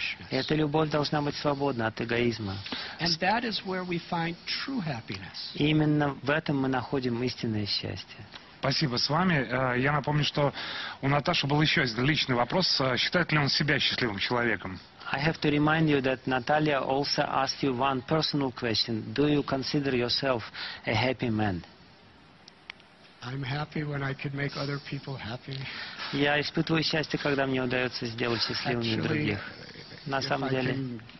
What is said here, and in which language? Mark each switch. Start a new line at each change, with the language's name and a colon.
Russian: И эта любовь должна быть свободна от эгоизма. И именно в этом мы находим истинное счастье. Спасибо с вами. Я напомню, что у Наташи был еще один личный вопрос. Считает ли он себя счастливым человеком?
English: I have to remind you that Natalia also asked you one personal question. Do you consider yourself a happy man? I'm happy when I can make other people happy.
Russian: Я испытываю счастье, когда мне удается сделать счастливыми других. На самом деле,